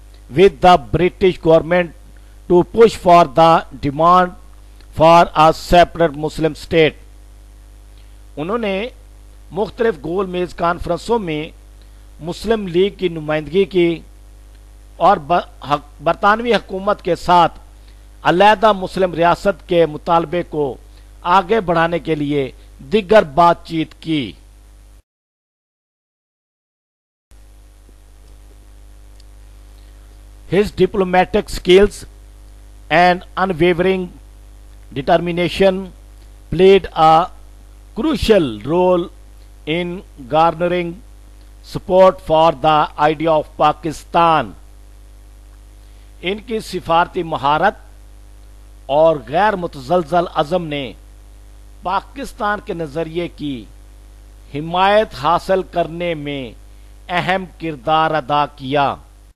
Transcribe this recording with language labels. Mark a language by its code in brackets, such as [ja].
[en] with the British government to push for the demand for a separate Muslim state. [ur] انہوں نے مختلف گول میز کانفرنسوں میں مسلم لیگ کی نمائندگی کی اور برطانوی حکومت کے ساتھ علیحدہ مسلم ریاست کے مطالبے کو آگے بڑھانے کے لیے دیگر بات چیت کی. [en] His diplomatic skills and unwavering determination played a crucial role in garnering support for the idea of Pakistan. [ur] ان کی سفارتی مہارت اور غیر متزلزل عزم نے پاکستان کے نظریے کی حمایت حاصل کرنے میں اہم کردار ادا کیا.